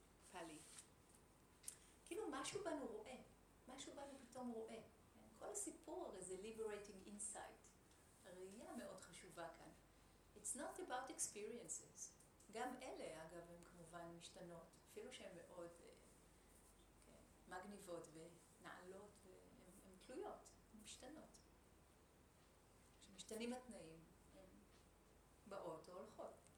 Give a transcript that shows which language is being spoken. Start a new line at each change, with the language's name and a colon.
Hebrew: פלי. כאילו משהו בנו רואה, משהו בנו פתאום רואה. כל הסיפור הרי זה
English: liberating insight.
Hebrew: הראייה מאוד חשובה כאן.
English: It's not about experiences.
Hebrew: גם אלה, אגב, הן כמובן משתנות. אפילו שהן מאוד מגניבות ונעלות, הן תלויות, הן משתנות. כשמשתנים התנאים, הן באות או הולכות.